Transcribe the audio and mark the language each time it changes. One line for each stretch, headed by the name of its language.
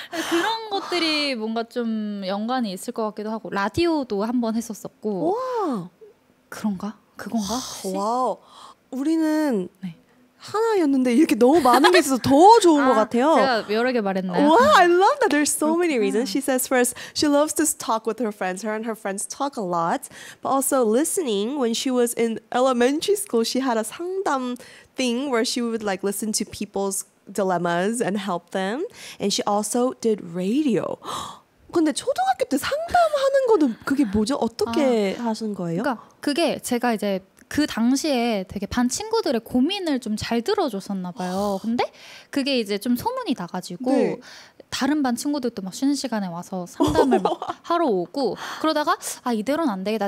Korean: 그런 것들이 뭔가 좀 연관이 있을 것 같기도 하고 라디오도 한번 했었었고 와 그런가? 그건가? 와우 우리는 네. 하나였는데 이렇게 너무 많은 게 있어서 더 좋은 것 같아요. 제가 여러 개 말했나요?
English: Wow, I love that. There's so many reasons. She says first, she loves to talk with her friends. Her and her friends talk a lot. But also listening, when she was in elementary school, she had a 상담 thing where she would like listen to people's dilemmas and help them. And she also did radio.
Korean: 근데 초등학교 때 상담하는 거는 그게 뭐죠? 어떻게 하신 거예요? 그러니까 그게 제가 이제 그 당시에 되게 반 친구들의 고민을 좀 잘 들어줬었나 봐요. 근데 그게 이제 좀 소문이 나가지고 네. 다른 반 친구들도 막 쉬는 시간에 와서 상담을 막 하러 오고 그러다가 아 이대로는 안 되겠다.